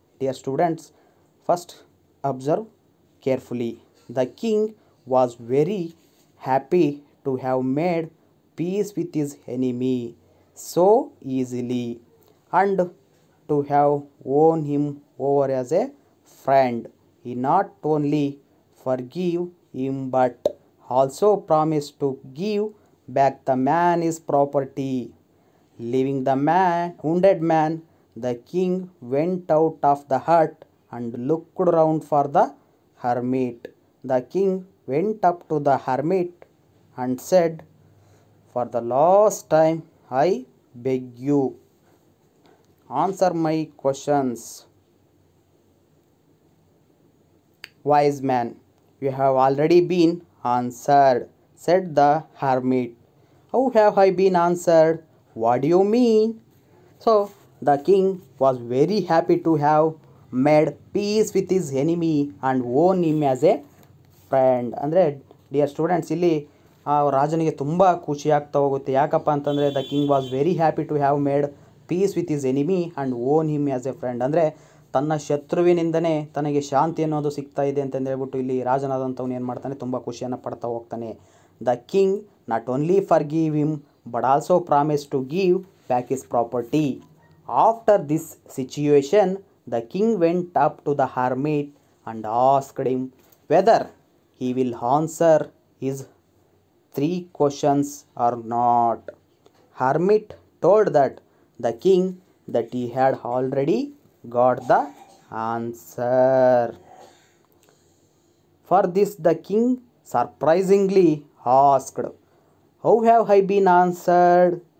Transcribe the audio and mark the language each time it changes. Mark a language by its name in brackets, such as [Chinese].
[English] Dear students, first observe carefully. The king was very happy to have made peace with his enemy so easily and to have won him over as a friend. He not only forgive him but also promise to give back the man his property. Leaving the man, wounded man, the king went out of the hut and looked around for the hermit. The king went up to the hermit and said, for the last time I beg you, answer my questions. Wise man, you have already been answered, said the hermit. How have I been answered? What do you mean? So the king was very happy to have made peace with his enemy and won him as a friend. [Kannada] Andre, [English] dear students, [Kannada] illi ಆ ರಾಜನಿಗೆ ತುಂಬ ಖುಷಿ ಆಗ್ತಾ ಹೋಗುತ್ತೆ. ಯಾಕಪ್ಪ ಅಂತಂದರೆ, [English] The king was very happy to have made peace with his enemy and won him as a friend. [Kannada] ಅಂದರೆ ತನ್ನ ಶತ್ರುವಿನಿಂದನೇ ತನಗೆ ಶಾಂತಿ ಅನ್ನೋದು ಸಿಗ್ತಾ ಇದೆ ಅಂತಂದು ಹೇಳ್ಬಿಟ್ಟು ಇಲ್ಲಿ ರಾಜನಾದಂಥವ್ನು ಏನು ಮಾಡ್ತಾನೆ, ತುಂಬ ಖುಷಿಯನ್ನು ಪಡ್ತಾ ಹೋಗ್ತಾನೆ. [English] The king not only forgive him but also promise to give back his property. After this situation the king went up to the hermit and asked him whether he will answer his 3 questions or not. Hermit told that the king that he had already got the answer. For this the king surprisingly asked, how have I been answered?